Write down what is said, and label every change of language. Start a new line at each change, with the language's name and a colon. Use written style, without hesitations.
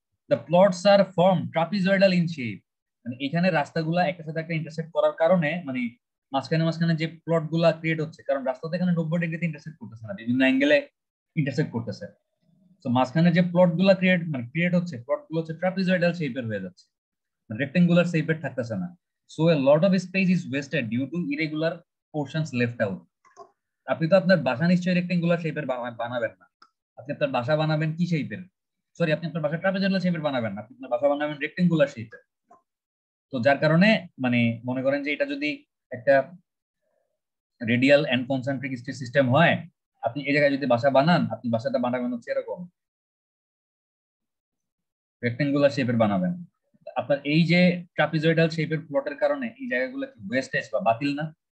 English: the plots are form trapezoidal in shape,
Bangla: মানে এখানে রাস্তাগুলো একটা সাথে একটা ইন্টারসেক্ট করার কারণে, মানে মাঝখানে মাঝখানে যে প্লট গুলা ক্রিয়েট হচ্ছে, কারণ রাস্তা তো এখানে 90 ডিগ্রিতে ইন্টারসেক্ট করতেছে না, বিভিন্ন অ্যাঙ্গেলে ইন্টারসেক্ট করতেছে, তো মাঝখানে যে প্লট গুলো ক্রিয়েট মানে ক্রিয়েট হচ্ছে, প্লট গুলো হচ্ছে ট্রাপিজয়েডাল শেপের হয়ে যাচ্ছে, রেক্টেঙ্গুলার শেপের থাকতেছে না,
English: So a lot of space is wasted due to irregular portions left out.
Bangla: আপনি তো আপনার বাসা নিশ্চয়ই রেকটেঙ্গুলার শেপের বানাবেন না, আপনি আপনার বাসা বানাবেন কি শেপের, সরি আপনি আপনার বাসা ট্রাপিজয়েডাল শেপের বানাবেন না, আপনি আপনার বাসা বানাবেন রেকটেঙ্গুলার শেপের। তো যার কারণে মানে মনে করেন যে এটা যদি একটা radial and concentric state system হয়, আপনি এই জায়গায় যদি বাসা বানান, আপনি বাসাটা বানাবেন হচ্ছে এরকম রেকটেঙ্গুলার শেপের বানাবেন, আপনার এই যে ট্রাপিজয়েডাল শেপের প্লটের কারণে এই জায়গাগুলো কি ওয়েস্টেজ বা বাতিল না।